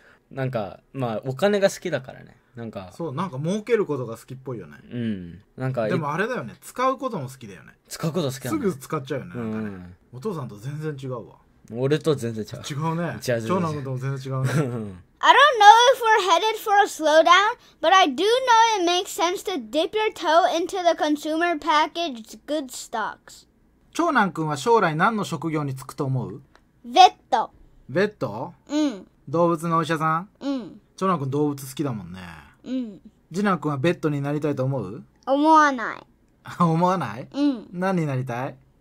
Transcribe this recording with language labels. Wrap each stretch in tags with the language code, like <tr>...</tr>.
<ja>なんかまあお金が好きだからね、なんかそう、なんか儲けることが好きっぽいよね。うん、なんかでもあれだよね、使うことも好きだよね。使うこと好きだね。すぐ使っちゃうよね、うん、なんかね、お父さんと全然違うわ。俺と全然違う。違うね。違う、長男とも全然違うね。</ja> <en>I don't know if we're headed for a slowdown, but I do know it makes sense to dip your toe into the consumer packaged goods stocks.</en> <ja>長男くんは将来何の職業に就くと思う？</ja> <en>Vet. Vet?</en> <ja>うん。動物のお医者さん。うん。長男くん動物好きだもんね。うん。次男くんはベッドになりたいと思う？思わない。思わない。うん。何になりたい？</ja>